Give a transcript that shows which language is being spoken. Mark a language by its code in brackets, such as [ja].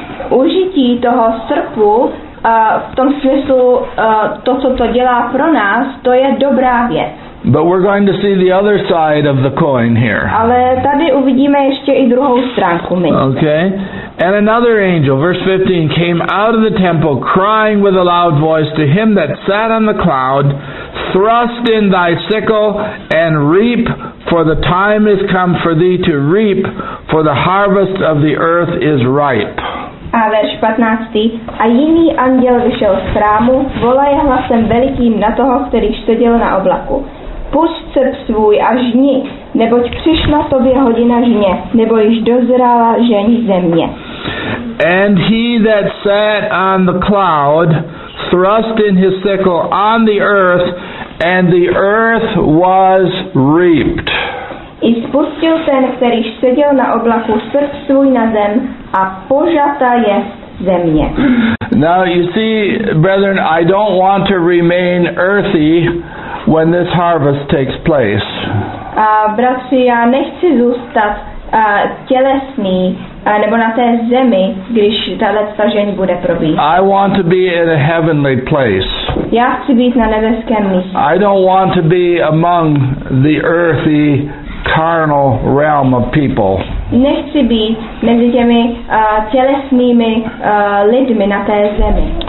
[cs] Užití toho srpu v tom smyslu to, co to dělá pro nás, to je dobrá věc. [en] But we're going to see the other side of the coin here. [cs] Ale tady uvidíme ještě i druhou stránku mince. [en] Okay. And another angel, verse 15, came out of the temple, crying with a loud voice to him that sat on the cloud, thrust in thy sickle and reap, for the time is come for thee to reap, for the harvest of the earth is ripe. [cs] A verš 15. A jiný anděl vyšel z chrámu, volaje hlasem velikým na toho, který štěděl na oblaku. Pust srp svůj a žni, neboť přišla tobě hodina žně, nebo již dozrála žeň země. [en] And he that sat on the cloud thrust in his sickle on the earth, and the earth was reaped. [cs] I spustil ten, který seděl na oblaku, srp svůj na zem, a požata je země. [en] Now you see, brethren, I don't want to remain earthy when this harvest takes place. [cs] Bratři, já nechci zůstat tělesný, nebo na té zemi, když tahle stažení bude probíhat. [en] I want to be in a heavenly place. [cs] Já chci být na nebeském místě. [en] I don't want to be among the earthy, carnal realm of people. [cs] Nechci být mezi těmi tělesnými lidmi na té zemi.